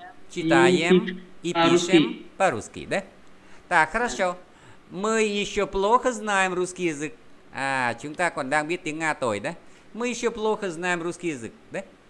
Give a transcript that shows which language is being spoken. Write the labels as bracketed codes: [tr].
[ru] читаем и пишем по-русски, да? Так, хорошо. Мы еще плохо знаем русский язык. [vi] А, chúng ta còn đang biết tiếng Nga tồi, да? [ru] Мы еще плохо знаем русский язык, да?